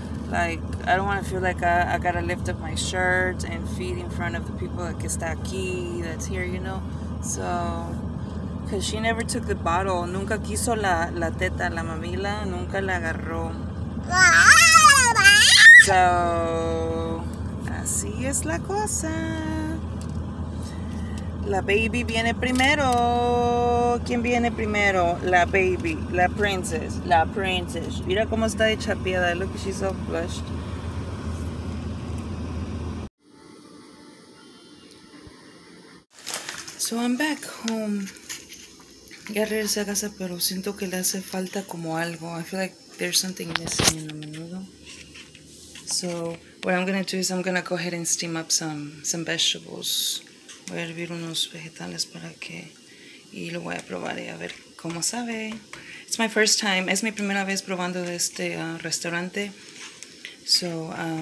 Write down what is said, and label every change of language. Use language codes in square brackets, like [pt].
[en] Like, I don't want to feel like I gotta lift up my shirt and feed in front of the people that [es] está aquí, [en] that's here, you know? So, because she never took the bottle. [es] Nunca quiso la teta, la mamila, nunca la agarró. So, así es la cosa. La baby viene primero. ¿Quién viene primero? La baby. La princess. La princess. Mira cómo está de chapeada. [en] Look, she's so flushed. So I'm back home. [es] Ya regresé a casa, pero siento que le hace falta como algo. [en] I feel like there's something missing in the menudo. So what I'm going to do is I'm going to go ahead and steam up some vegetables. [es] Voy a hervir unos vegetales para que y lo voy a probar y a ver cómo sabe. [en] It's my first time. [es] Es mi primera vez probando de este restaurante. So